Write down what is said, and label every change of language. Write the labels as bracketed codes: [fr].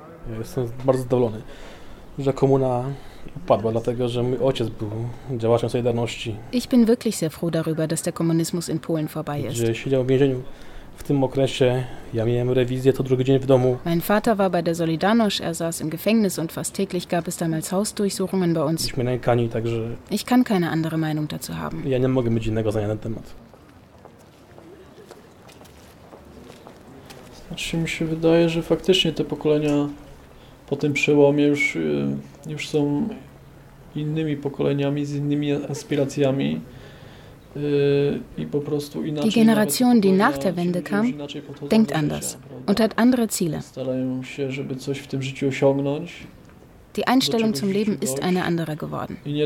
[pl] Ja jestem bardzo zadowolony. że komuna upadła, dlatego że mój ojciec był działaczem Solidarności. [de] Ich bin wirklich sehr froh darüber, dass der Kommunismus in Polen vorbei ist. [pl] Gdzie siedział w więzieniu w tym okresie, ja miałem rewizję to drugi dzień w domu. [de] Mein Vater war bei der Solidarność, saß im Gefängnis und fast täglich gab es damals Hausdurchsuchungen bei uns. [pl] Byliśmy nękani, także... [de] Ich kann keine andere Meinung dazu haben. [pl] Ja nie mogę mieć innego zdania na temat. Znaczy mi się wydaje, że faktycznie te pokolenia po tym przełomie już są innymi pokoleniami, z innymi aspiracjami. [de] Die Generation, die nach der Wende kam, denkt anders und hat andere Ziele. Die Einstellung zum Leben ist eine andere geworden.